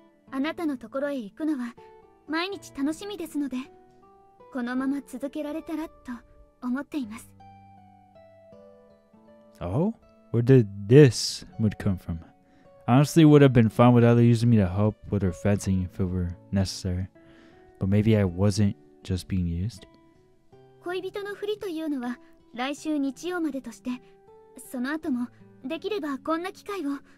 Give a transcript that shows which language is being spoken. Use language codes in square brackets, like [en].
[ja] あなたのところへ行くのは毎日楽しみですので、このまま続けられたらと思っています。 [en] Oh? Where did this mood come from? Honestly, it would have been fine without using me to help with her fencing if it were necessary. But maybe I wasn't just being used. [ja] 恋人のふりというのは来週日曜までとして、その後もできればこんな機会を。